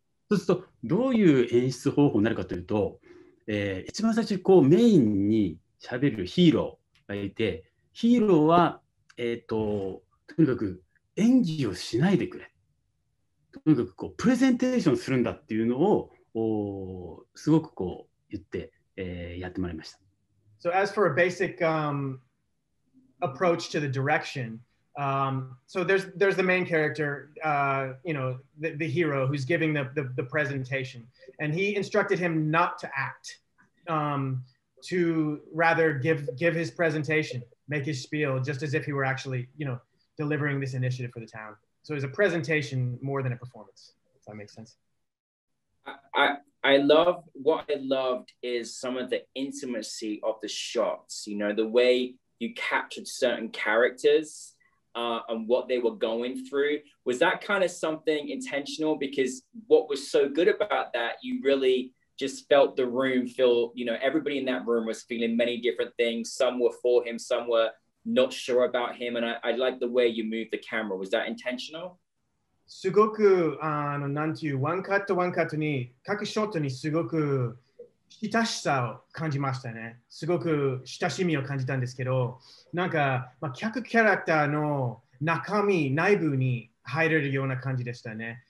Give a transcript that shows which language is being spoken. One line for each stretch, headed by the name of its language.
Japanese: そうすると、どういう演出方法になるかというと、一番最初にこうメインに喋るヒーローがいて、ヒーローは、とにかく演技をしないでくれ、とにかくこうプレゼンテーションするんだっていうのをすごくこう言って、やってもらいました。
English: So as for a basic, approach to the direction,so there's the main character, the hero who's giving the presentation, and he instructed him not to act, to rather give his presentation, make his spiel, just as if he were actually, delivering this initiative for the town. So it was a presentation more than a performance, if that makes sense. I loved is some of the intimacy of the shots, the way you captured certain characters. And what they were going through. Was that kind of something intentional? Because what was so good about that, you really just felt the room feel, everybody in that room was feeling many different things. Some were for him, some were not sure about him. And I like the way you moved the camera. Was that intentional?
Japanese: すごく、なんていう、ワンカットワンカットに、各ショットにすごく親しさを感じましたね。すごく親しみを感じたんですけど、客キャラクターの中身、内部に入れるような感じでしたね。